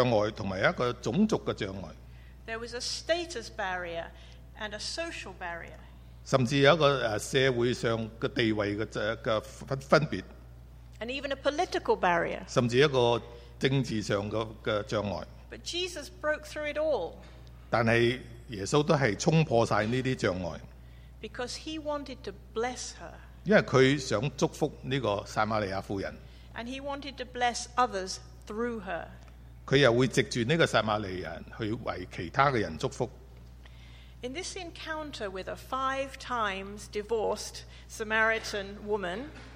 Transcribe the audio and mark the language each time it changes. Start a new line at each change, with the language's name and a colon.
Chinese: 因为有一个性别的障碍和一个种族的障碍。
English: There was a status barrier and a social barrier.
Chinese: 甚至有一個社會上的地位的分別。
English: And even a political barrier.
Chinese: 甚至一個政治上的障礙。
English: But Jesus broke through it all.
Chinese: 但是耶穌都是衝破了這些障礙。
English: Because he wanted to bless her.
Chinese: 因為他想祝福這個撒瑪利亞婦人。
English: And he wanted to bless others through her.
Chinese: 他又會藉著這個撒瑪利亞人去為其他的人祝福。
English: In this encounter with a five times divorced Samaritan woman,